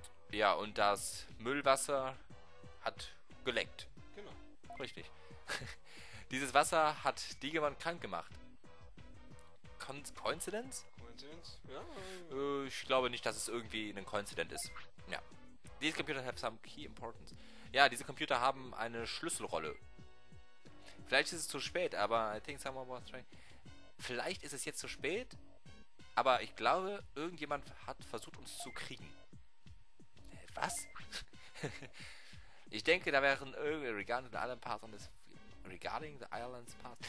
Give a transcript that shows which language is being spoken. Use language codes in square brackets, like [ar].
[de] Ja, und das Müllwasser hat geleckt. Genau. Richtig. Dieses Wasser hat Digimon krank gemacht. [en] Coincidence? Coincidence? Ja. [de] Ich glaube nicht, dass es irgendwie ein Coincidence ist. Ja. [en] These computers have some key importance. [de] Ja, diese Computer haben eine Schlüsselrolle. Vielleicht ist es zu spät, aber [en] I think someone was trying. [de] Vielleicht ist es jetzt zu spät, aber ich glaube, irgendjemand hat versucht, uns zu kriegen. Was? Ich denke, da wären irgendwie [en] regarding the island part [de] und das. [en] Regarding the island part.